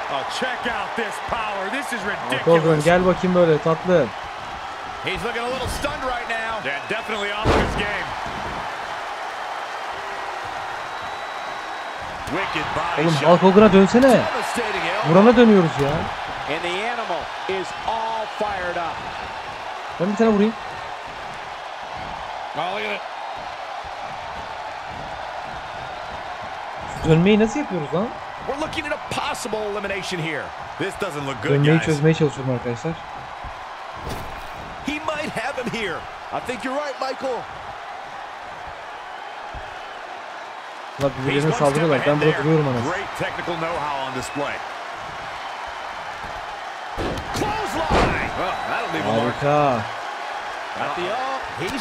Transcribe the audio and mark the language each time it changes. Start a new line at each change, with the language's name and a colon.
English: Check out this power. This is ridiculous. Hogan,
Turkish: gel bakayım böyle tatlı.
English: He's looking a little stunned right now. Yeah, definitely off his game. Wicked body.
Turkish: Oğlum Hulk Hogan'a dönsene. Burana dönüyoruz ya.
English: And the animal is all fired up.
Turkish: Ben bir tane vurayım.
English: Oh, look at it.
Turkish: Şu dönmeyi nasıl yapıyoruz lan?
English: We're looking at a possible elimination here. This doesn't look good, guys.
Turkish: Dönmeyi çözmeye çalışıyorum arkadaşlar.
English: He might have him here. I think you're right, Michael.
Turkish: La birbirine saldırıyorlar. Ben burada duruyorum anasını.
English: Great technical know-how on display. Close line. Harika. At the up.